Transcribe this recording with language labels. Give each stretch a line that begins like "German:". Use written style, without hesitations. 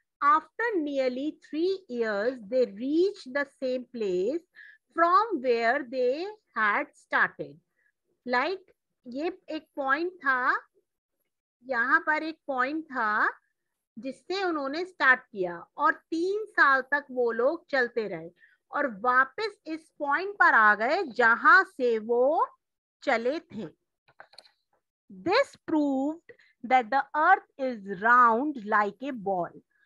English: After nearly 3 years, they reached the same place from where they had started.
Hindi: Like, ये एक point था, यहाँ पर एक point था जिससे उन्होंने start किया और 3 साल तक वो लोग चलते रहे और वापस इस point पर आ गए जहां से वो चले थे.
English: This proved that the earth is round like a ball.